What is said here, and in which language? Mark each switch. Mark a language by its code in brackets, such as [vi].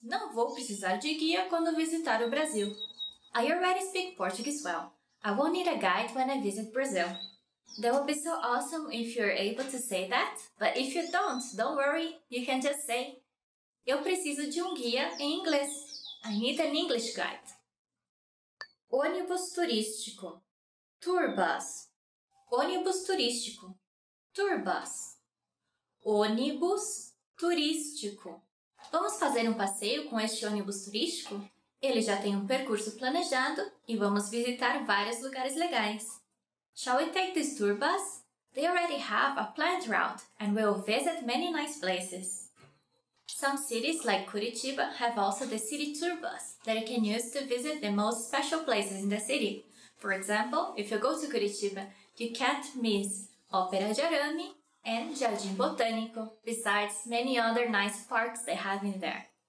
[pt] Não vou precisar de guia quando visitar o Brasil. [en] I already speak Portuguese well. I won't need a guide when I visit Brazil. That would be so awesome if you're able to say that. But if you don't worry. You can just say, [pt] eu preciso de um guia em inglês. [en] I need an English guide. [pt] Ônibus turístico. [en] Tour bus. [pt] Ônibus turístico. [en] Tour bus. [pt] Ônibus turístico. Vamos fazer um passeio com este ônibus turístico? Ele já tem um percurso planejado e vamos visitar vários lugares legais. [en] Shall we take this tour bus? They already have a planned route and will visit many nice places. Some cities, like Curitiba, have also the city tour bus that you can use to visit the most special places in the city. For example, if you go to Curitiba, you can't miss Ópera de Arame and Jardim Botânico, besides many other nice parks they have in there.